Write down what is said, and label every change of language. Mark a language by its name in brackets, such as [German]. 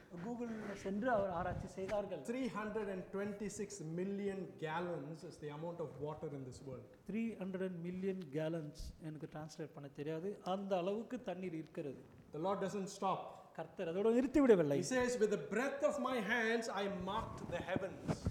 [Tamil] Google சென்று அவர் ஆராய்ச்சி செய்தார்கள். [English] 326 million gallons is the amount of water in this world. 300 million gallons [Tamil] எனக்கு translate பண்ண தெரியாது. அந்த அளவுக்கு தண்ணீர் இருக்கிறது. [English] The Lord doesn't stop. [Tamil] கர்த்தர் அதோடு நிறுத்தி விடவில்லை. [English] He says with the breath of my hands I marked the heavens.